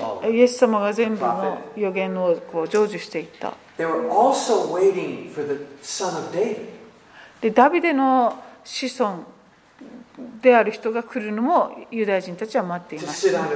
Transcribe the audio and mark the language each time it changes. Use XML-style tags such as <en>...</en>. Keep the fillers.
<ja>イエス様が全部の予言をこう成就していった。</ja> <en>They were also waiting for the son of David.</en> <ja>でダビデの子孫である人が来るのもユダヤ人たちは待っています</ja>